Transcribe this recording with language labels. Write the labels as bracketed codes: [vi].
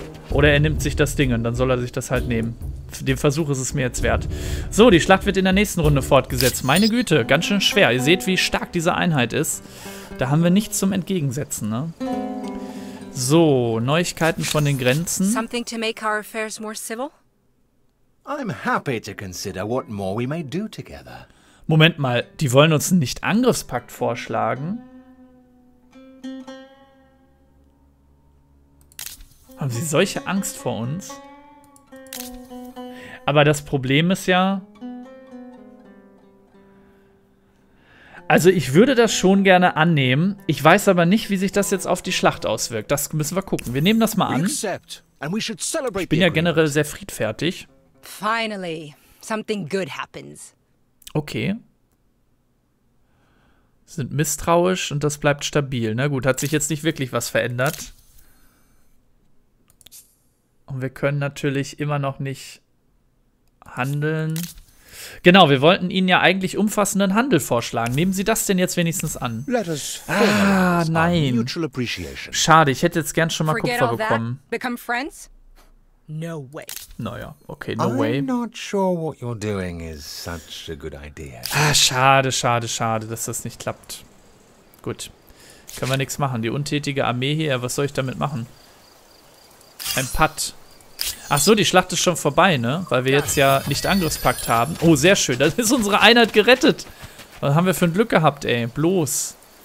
[de] Oder er nimmt sich das Ding und dann soll er sich das halt nehmen. Für den Versuch ist es mir jetzt wert. So, die Schlacht wird in der nächsten Runde fortgesetzt. Meine Güte, ganz schön schwer. Ihr seht, wie stark diese Einheit ist. Da haben wir nichts zum Entgegensetzen, ne? So, Neuigkeiten von den Grenzen. [en] Something to make our affairs more civil? I'm happy to consider what more we may do together. [de] Moment mal, die wollen uns einen Nicht-Angriffspakt vorschlagen. Haben sie solche Angst vor uns? Aber das Problem ist ja... Also ich würde das schon gerne annehmen. Ich weiß aber nicht, wie sich das jetzt auf die Schlacht auswirkt. Das müssen wir gucken. Wir nehmen das mal an. Ich bin ja generell sehr friedfertig. [en] Finally, something good happens. Okay. [de] Sind misstrauisch und das bleibt stabil. Na gut, hat sich jetzt nicht wirklich was verändert. Und wir können natürlich immer noch nicht handeln. Genau, wir wollten Ihnen ja eigentlich umfassenden Handel vorschlagen. Nehmen Sie das denn jetzt wenigstens an? Nein. Schade, ich hätte jetzt gern schon mal Kupfer bekommen. [en] Become friends? No way. Naja, okay, no way. I'm not sure what you're doing is such a good idea. [de] Ah, schade, schade, schade, dass das nicht klappt. Gut, können wir nichts machen. Die untätige Armee hier, was soll ich damit machen? Ein Patt. Ach so, die Schlacht ist schon vorbei, ne? Weil wir jetzt ja nicht Angriffspakt haben. Oh, sehr schön. Das ist unsere Einheit gerettet. Was haben wir für ein Glück gehabt, ey? Bloß.